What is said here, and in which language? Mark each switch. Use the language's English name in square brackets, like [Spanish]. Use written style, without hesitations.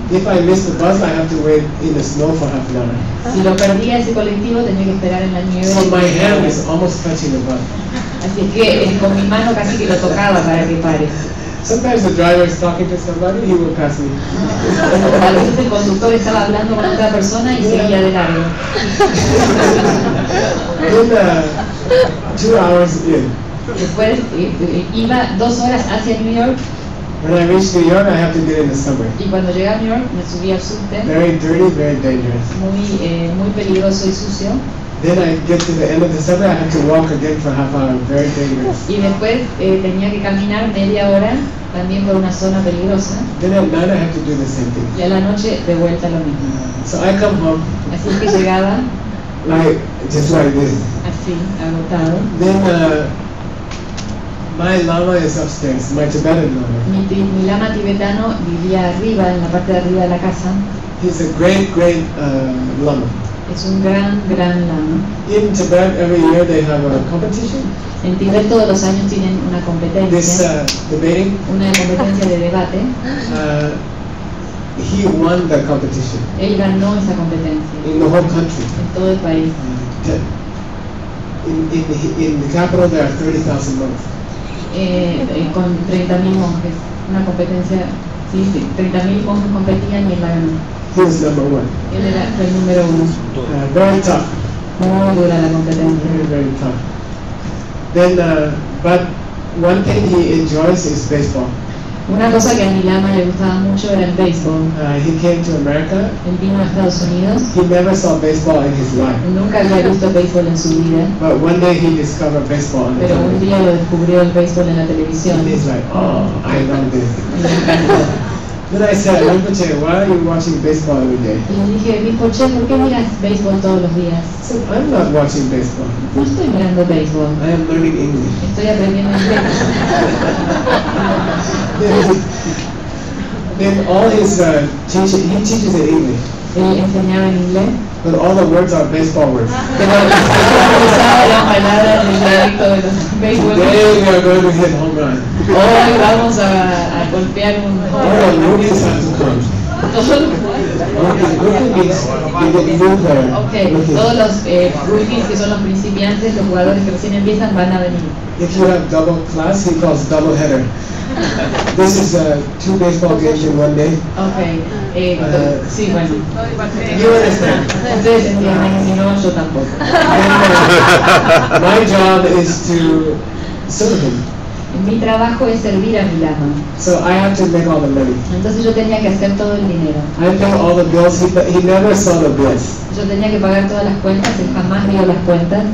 [English] If I miss the bus, I have to wait in the snow for half an hour. [Spanish] Si lo perdía ese colectivo, tenía que esperar en la nieve. [English] So my hand is almost touching the bus. [Spanish] Así que con mi mano casi que lo tocaba para que pare. [English] Sometimes the driver is talking to somebody, he will pass me. [Spanish] A veces el conductor estaba hablando con otra persona y seguía de largo. [English] Then, 2 hours in. [Spanish] Después iba 2 horas hacia New York. [English] When I reached New York, I have to get in the subway. [Spanish] Y cuando llegué a New York, me subí al subte. [English] Very dirty, very dangerous. [Spanish] Muy muy peligroso y sucio. [English] Then I get to the end of the subway. I have to walk again for half hour. Very dangerous. [Spanish] Y después tenía que caminar media hora también por una zona peligrosa. [English] Then at night I have to do the same thing. [Spanish] Y a la noche de vuelta lo mismo. [English] So I come home. [Spanish] Así que llegaba. [English] Like just like this. [Spanish] Así, agotado. [English] Then my lama is upstairs, my Tibetan lama. [Spanish] Mi lama tibetano vivía arriba, en la parte de arriba de la casa. [English] He's a great, great lama. [Spanish] Es un gran, gran lama. [English] In Tibet, every year they have a competition. [Spanish] En Tibet todos los años tienen una competencia. [English] This debating. [Spanish] Una competencia de debate. [English] He won the competition. [Spanish] Él ganó esa competencia. [English] In the whole country. [Spanish] En todo el país. [English] In the capital there are 30,000 monks. [Spanish] Con 30.000 monjes, una competencia, sí, 30.000 monjes competían y él la ganó. [English] He was number one. [Spanish] Él era el número uno. [English] Very tough. [Spanish] Muy dura la competencia. [English] Very, very tough. Then, but one thing he enjoys is baseball. [Spanish] Una cosa que a mi lama le gustaba mucho era el béisbol. [English] He came to America. [Spanish] Él vino a Estados Unidos. [English] He never saw baseball in his life. [Spanish] Nunca había visto béisbol en su vida. [English] But one day he discovered baseball. [Spanish] Pero un día lo descubrió el béisbol en la televisión. [English] And he's like, oh, I love this. Then I said, Rinpoche, why are you watching baseball every day? [Spanish] Y le dije, Rinpoche, ¿por qué miras béisbol todos los días? [English] So I'm not watching baseball. [Spanish] No estoy mirando béisbol. [English] I am learning English. [Spanish] Estoy aprendiendo inglés. [English] Then all his he teaches in English. [Spanish] ¿Él enseñaba en inglés? [English] But all the words are baseball words. Today we are going to hit home run. [Spanish] Hoy vamos a golpear un [English] home run. All the movies have to come. Okay, roofing is the mover. [Spanish] Okay, todos los roofing que son los principiantes, los jugadores que recién empiezan van a venir. [English] If you have double class, he calls double header. This is two baseball games in one day. [Spanish] Okay. Sí, bueno. [English] You understand. [Spanish] Entonces, no, yo tampoco. [English] My job is to serve him. [Spanish] Mi trabajo es servir a mi lama. [English] So I have to make all the money. [Spanish] Entonces yo tenía que hacer todo el dinero. [English] I pay all the bills, he never saw the bills. [Spanish] Yo tenía que pagar todas las cuentas, él jamás vio las cuentas.